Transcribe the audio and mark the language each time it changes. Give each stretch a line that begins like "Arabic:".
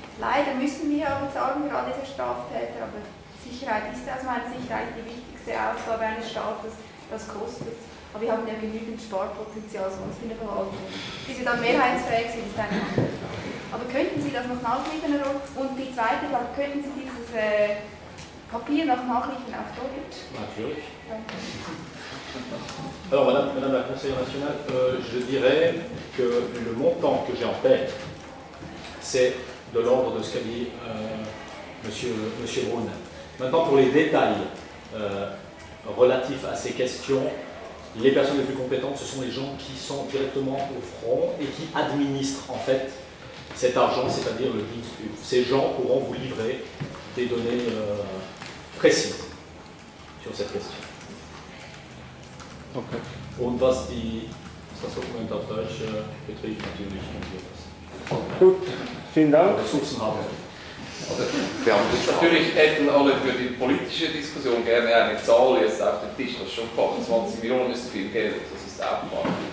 German: Leider müssen wir aber sagen, gerade diese Straftäter, aber Sicherheit ist aus meiner Sicht die wichtigste Aufgabe eines Staates, das kostet. Aber wir haben ja genügend Sparpotenzial sonst in der Verwaltung. Bis wir dann mehrheitsfähig sind, ist eine andere Frage. Aber könnten Sie das noch nachliefern, Herr Rohner? Und die zweite Frage, könnten Sie dieses Papier noch nachliefern auf Deutsch? Natürlich. Danke.
French: Alors, Madame la Conseillère nationale, je dirais que le montant que j'ai en tête, c'est de l'ordre de ce qu'a dit Monsieur Brun. Maintenant, pour les détails relatifs à ces questions, les personnes les plus compétentes, ce sont les gens qui sont directement au front et qui administrent en fait cet argent, c'est-à-dire le DINSPUB. Ces gens pourront vous livrer des données précises sur cette question. Okay.
German: Und was die das Dokument auf Deutsch betrifft, natürlich funktioniert das. Gut, vielen Dank. Ressourcen haben wir. Natürlich hätten alle für die politische Diskussion gerne eine Zahl jetzt auf den Tisch, das ist schon 20 Millionen ist viel Geld, das ist auch mal.